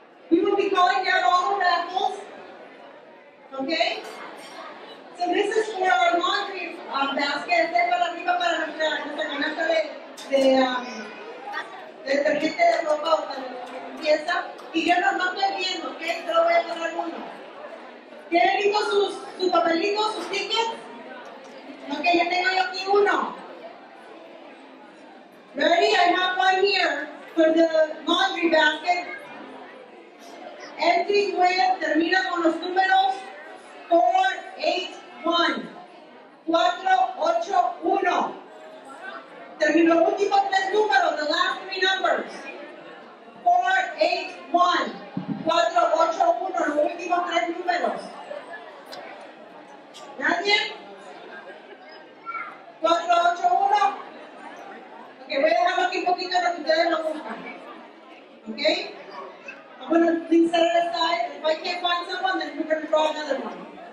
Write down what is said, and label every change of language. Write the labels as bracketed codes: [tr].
[en] We will be calling down all the raffles, okay? So this is for our laundry basket. [es] Este es para arriba para nuestra canasta de detergente de ropa o para limpieza. Y yo los mando bien, ok? Yo voy a poner uno. ¿Tienen listos sus papelitos, sus tickets? Ok, ya tengo yo aquí uno. [en] Ready? I have one here for the laundry basket. Entry where [es] termina con los números 481. 481. Termino último tres números, [en] the last three numbers. [es] 481. 481, los últimos tres números. ¿Nadie? 481. Ok, voy a dejarlo aquí un poquito para que ustedes lo buscan. [en] Ok. I'm going to please set it aside. If I can't find someone, then we're going to draw another one.